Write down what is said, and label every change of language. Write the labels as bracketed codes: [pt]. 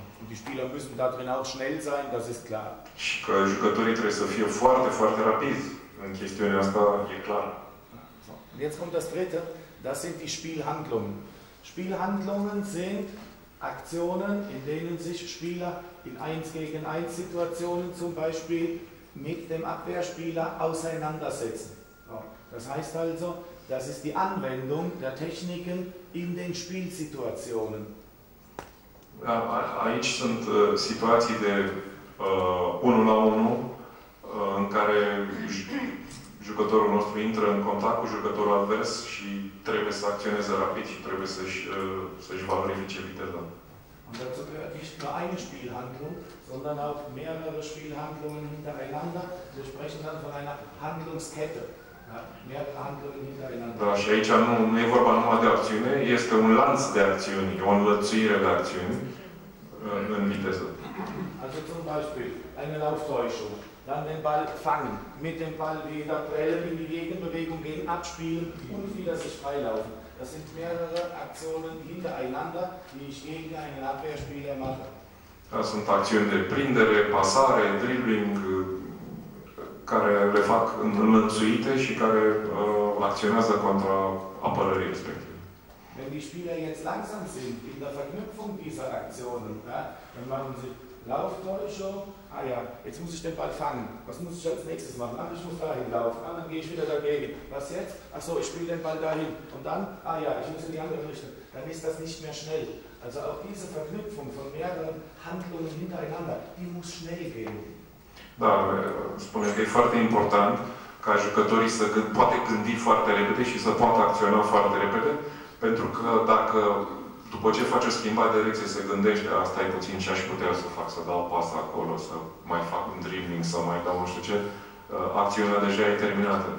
[de] Die Spieler müssen da drin auch schnell sein, das ist klar. [ro] Și că jucătorii trebuie să fie foarte, foarte rapizi în chestiunea asta, e clar. [de] Und jetzt kommt das dritte, das sind die Spielhandlungen. Spielhandlungen sind Aktionen, in denen sich Spieler in 1 gegen 1 Situationen zum Beispiel mit dem Abwehrspieler auseinandersetzen. Das heißt also, das ist die Anwendung der Techniken in den Spielsituationen. [ro] Ja, aici sunt situații de unul la unul, în care jucătorul nostru intră în contact cu jucătorul advers și trebuie să acționeze rapid și trebuie să-și valorifice viteza. [de] Und dazu gehört nicht nur eine Spielhandlung, sondern auch mehrere Spielhandlungen hintereinander. Wir sprechen dann von einer Handlungskette. Ja? Mehrere Handlungen hintereinander. [ro] Da, și aici nu e vorba numai de acțiune, este un lanț de acțiuni, o înlățuire de acțiuni în viteză. [de] Also zum Beispiel eine Lauftäuschung, dann den Ball fangen, mit dem Ball wieder prellen, in die Gegenbewegung gehen, abspielen und wieder sich freilaufen. Das sind mehrere Aktionen hintereinander, die ich gegen einen Abwehrspieler mache. Das sind Aktionen der [ro] Prindere, Passare, Dribbling, care le fac înlănțuite și care acționează contra apărării respective. [de] Wenn die Spieler jetzt langsam sind in der Verknüpfung dieser Aktionen, ja, dann machen sie Lauftäuschung, ah ja, jetzt muss ich den Ball fangen. Was muss ich als nächstes machen? Ach, ich muss dahin laufen. Ah, dann gehe ich wieder dagegen. Was jetzt? Ach so, ich spiele den Ball dahin. Und dann, ah ja, ich muss in die andere Richtung. Dann ist das nicht mehr schnell. Also auch diese Verknüpfung von mehreren Handlungen hintereinander, die muss schnell gehen. [ro] Da, spune că e foarte important ca jucătorii să poate gândi foarte repede și să poată acționa foarte repede, pentru că dacă după ce face o schimbare de direcție se gândește, asta e puțin ce aș putea să fac, să dau pas acolo, să mai fac un dribbling, să mai dau nu știu ce, acțiunea deja e terminată.